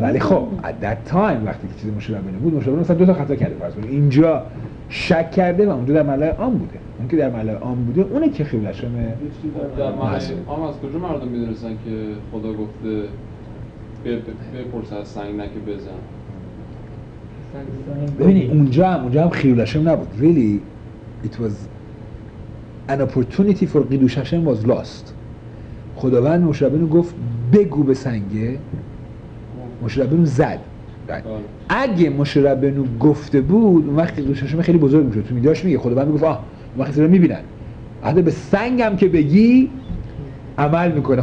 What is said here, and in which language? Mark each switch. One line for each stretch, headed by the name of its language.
Persian: ولی خب
English: at that time
Persian: وقتی که چیزی مشابه بینه بود مشابه مثلا دو تا خطا کرده فرض کنید اینجا شک کرده و اونجا در ملای عام بوده. اون که در ملای عام بوده اونه که خیلی شما در ملای عام از کجا مردم میدونستن که خدا گفته بپرس از سنگ نکه بزن؟ ببینید اونجا هم خیلی شما نبود.
English: really it was an opportunity for قیدوش هشم was lost.
Persian: خداوند مشابه بینه گفت بگو به سنگه، مشی ربنو زد. اگه مشی ربنو گفته بود اون وقت قیدوش هشم خیلی بزرگ میشد. تو میداش میگه خدا بهم میگفت آه اون وقت اینا میبینن. حتی به سنگم که بگی عمل میکنه.